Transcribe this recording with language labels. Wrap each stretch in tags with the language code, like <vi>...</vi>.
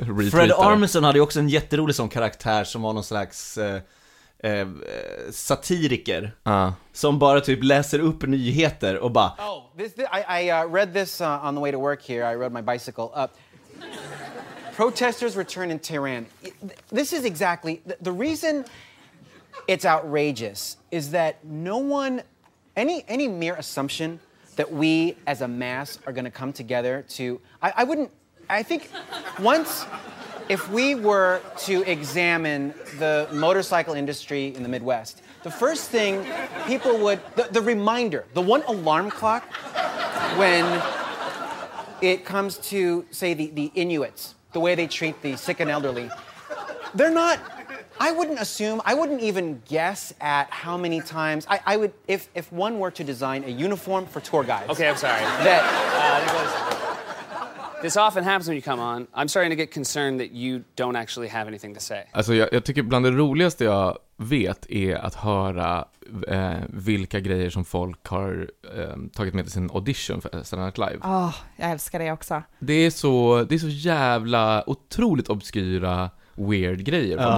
<sv>Fred Armisen hade ju också en jätterolig sån karaktär som var någon slags... satiriker som bara typ läser upp nyheter och bara</sv> <en>I read this on the way to work here. I rode my bicycle. Protesters return in Tehran. This is exactly the reason it's outrageous is that no one any mere assumption that we as a mass are going to come together to if we were to examine the motorcycle industry in the Midwest, the first thing people would, the reminder, the one alarm clock when it comes to, say, the Inuits, the way they treat the sick and elderly, they're not, I wouldn't even guess at how many times, if one were to design a uniform for tour guides. Okay, I'm sorry. This often happens when you come on. I'm starting to get concerned that you don't actually have anything to say.</en> <sv>Alltså jag tycker bland det roligaste jag vet är att höra vilka grejer som folk har tagit med till sin audition för Saturday Night Live. Åh, jag älskar det också. Det är så jävla otroligt obskyra weird grejer.</sv>